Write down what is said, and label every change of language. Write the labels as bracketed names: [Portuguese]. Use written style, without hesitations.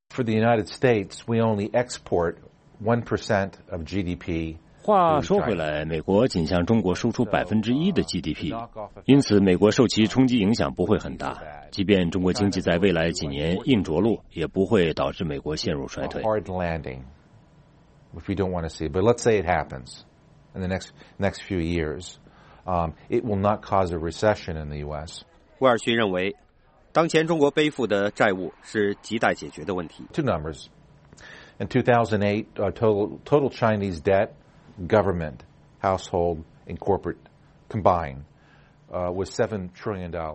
[English] For the United States, we only export 1% of GDP. [Chinese] 话说回来，美国仅向中国输出1%的 GDP， 因此美国受其冲击影响不会很大。即便中国经济在未来几年硬着陆，也不会导致美国陷入衰退。 [English] Hard landing, which we don't want to see, but let's say it happens in the next few years, it will not cause a recession in the U.S. [Chinese] 威尔逊认为，当前中国背负的债务是亟待解决的问题。 [English] Two numbers in 2008, total Chinese debt. Government, household, and corporate combined was $7 trillion.